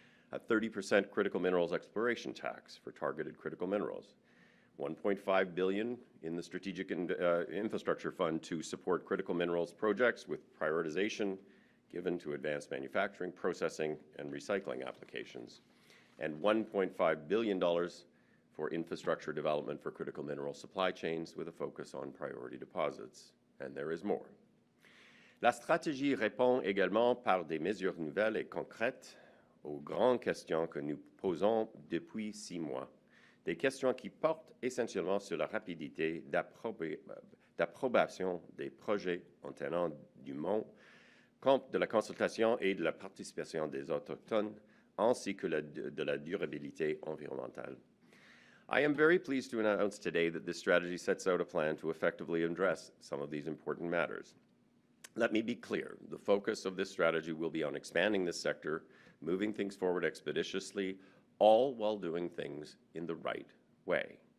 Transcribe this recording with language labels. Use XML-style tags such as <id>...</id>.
<en>a 30% critical minerals exploration tax for targeted critical minerals, $1.5 billion in the Strategic Infrastructure Fund to support critical minerals projects with prioritization given to advanced manufacturing, processing, and recycling applications, and $1.5 billion for infrastructure development for critical mineral supply chains with a focus on priority deposits. And there is more.</en> <fr>La stratégie répond également par des mesures nouvelles et concrètes aux grandes questions que nous posons depuis six mois. Des questions qui portent essentiellement sur la rapidité d'approbation des projets en tenant du monde, compte de la consultation et de la participation des autochtones, ainsi que de la durabilité environnementale.</fr> <en>I am very pleased to announce today that this strategy sets out a plan to effectively address some of these important matters. Let me be clear, the focus of this strategy will be on expanding this sector, moving things forward expeditiously, all while doing things in the right way.</en>